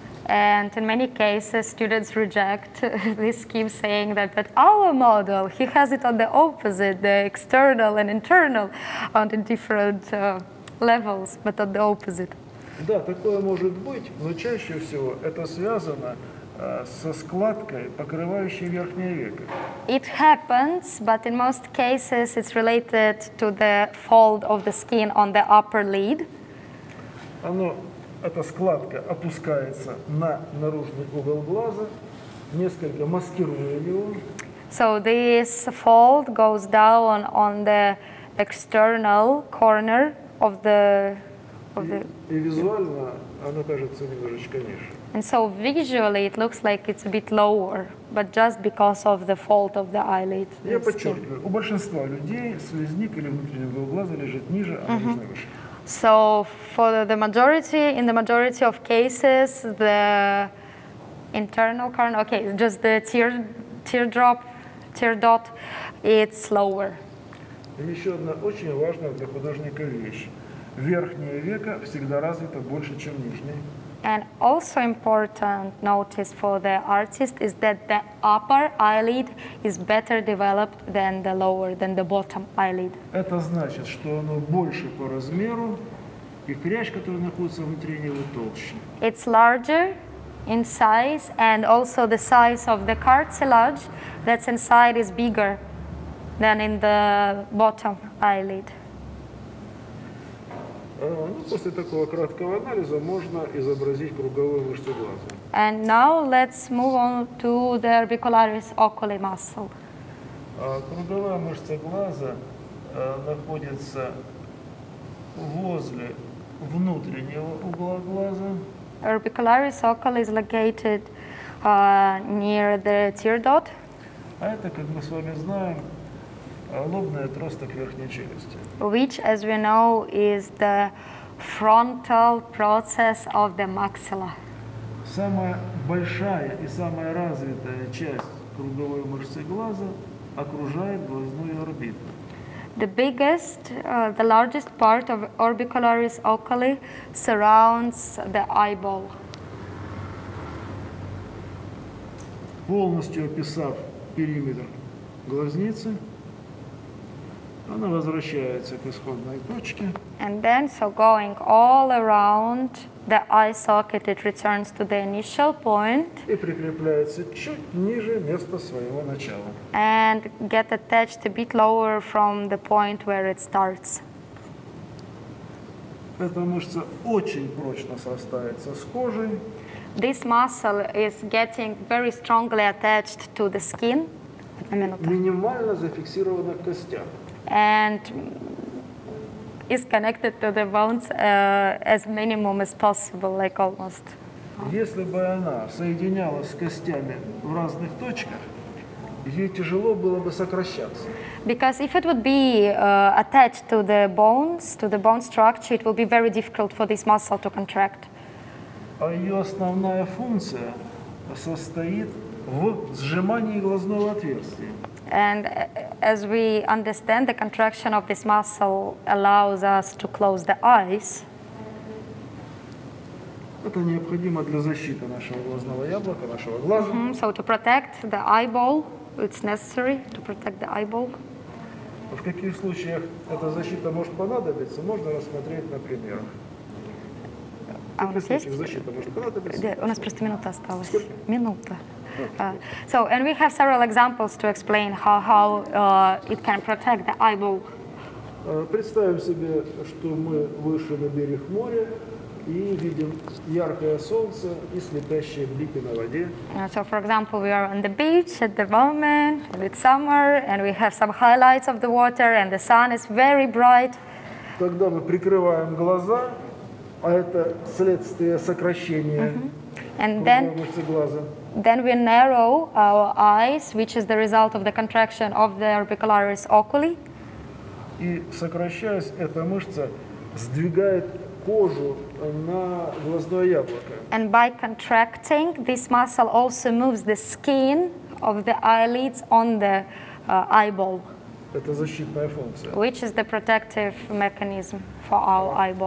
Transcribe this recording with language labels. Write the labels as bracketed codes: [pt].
[en] And in many cases, students reject this scheme, saying that, but our model, he has it on the opposite, the external and internal, on the different levels, but on the opposite. [ru] Да, такое может быть, но чаще всего это связано со складкой, покрывающей верхнее веко. [en] It happens, but in most cases, it's related to the fold of the skin on the upper lid. [ru] Эта складка опускается на наружный угол глаза, несколько маскируя его. [en] So this fold goes down on the external corner of the... [ru] И визуально она кажется немножечко ниже. [en] And so visually it looks like it's a bit lower, but just because of the fold of the eyelid. [ru] Я подчеркиваю, у большинства людей слезник или внутренний угол глаза лежит ниже, а нижний выше. [en] So for the majority, in the majority of cases, the internal corner, okay, just the tear dot, it's lower. [ru] Еще одна очень важная для художника вещь. Верхнее веко всегда развито больше, чем нижнее. [en] And also important notice for the artist is that the upper eyelid is better developed than the lower, than the bottom eyelid. [ru] Это значит, что оно больше по размеру, и хрящ, который находится внутри него, толще. [en] It's larger in size, and also the size of the cartilage that's inside is bigger than in the bottom eyelid. [ru] После такого краткого анализа можно изобразить круговую мышцу глаза. [en] And now let's move on to the orbicularis oculi muscle. [ru] Круговая мышца глаза находится возле внутреннего угла глаза. [en] Orbicularis oculi is located near the tear dot. [ru] А это, как мы с вами знаем, лобный отросток верхней челюсти. [en] Which, as we know, is the frontal process of the maxilla. [ru] Самая большая и самая развитая часть круговой мышцы глаза окружает глазную орбиту. [en] The biggest, the largest part of orbicularis oculi surrounds the eyeball. [ru] Полностью описав периметр глазницы, она возвращается к исходной точке. [en] And then, so going all around the eye socket, it returns to the initial point. [ru] И прикрепляется чуть ниже места своего начала. [en] And get attached a bit lower from the point where it starts. [ru] Эта мышца очень прочно срастается с кожей. [en] This muscle is getting very strongly attached to the skin. [ru] Минимально зафиксировано в костях. [en] And is connected to the bones as minimum as possible, like almost. [ru] Если бы она соединялась с костями в разных точках, ей тяжело было бы сокращаться. [en] Because if it would be attached to the bones, to the bone structure, it will be very difficult for this muscle to contract. [ru] А ее основная функция состоит в сжимании глазного отверстия. [en] And as we understand, the contraction of this muscle allows us to close the eyes. [ru] Это необходимо для защиты нашего глазного яблока, нашего глаза. Mm-hmm. [en] So to protect the eyeball, it's necessary to protect the eyeball. [ru] В каких случаях эта защита может понадобиться, можно рассмотреть на примерах. А у нас есть? У нас просто минута осталась. Сколько? Минута. [en] So, and we have several examples to explain how it can protect the eyeball. [ru] Представим себе, что мы выше на берег моря и видим яркое солнце и слепящие блики на воде. [en] So, for example, we are on the beach at the moment, it's summer, and we have some highlights of the water, and the sun is very bright. [ru] Тогда мы прикрываем глаза, а это следствие сокращения мышцы глаза. [en] Then we narrow our eyes, which is the result of the contraction of the orbicularis oculi. [ru] И сокращаясь, эта мышца сдвигает кожу на глазное яблоко. [en] And by contracting, this muscle also moves the skin of the eyelids on the eyeball. [ru] Это защитная функция. [en] Which is the protective mechanism for our eyeball.